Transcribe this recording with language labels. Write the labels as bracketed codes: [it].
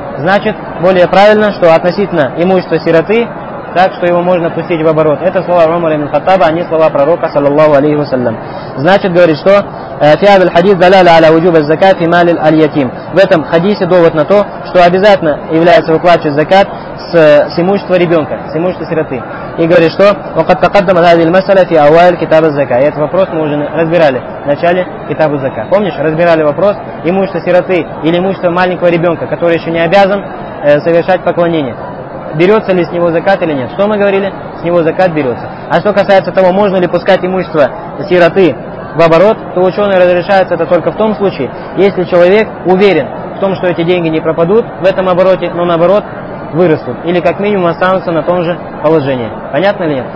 [ru] Значит, более правильно, что относительно имущества сироты, так что его можно пустить в оборот. Это слова Умара ибн Хаттаба, а не слова пророка, саллаллаху алейхи ва саллям. Значит, говорит, что [ar] фиадаль хадис даляля аля вуджуба закат фи малиль аль-ятим. [ru] В этом хадисе довод на то, что обязательно является выплачивать закат с имущества ребенка, с имущества сироты. И говорит, что [ar] وقد تقدم هذه المسألة في أوائل كتاب الزكاة. [ru] Этот вопрос мы уже разбирали в начале китабу зака. Помнишь, разбирали вопрос имущества сироты или имущества маленького ребенка, который еще не обязан совершать поклонение. Берется ли с него закат или нет? Что мы говорили? С него закат берется. А что касается того, можно ли пускать имущество сироты в оборот, то ученые разрешают это только в том случае, если человек уверен в том, что эти деньги не пропадут в этом обороте, но наоборот вырастут или как минимум останутся на том же положении. Понятно ли нет?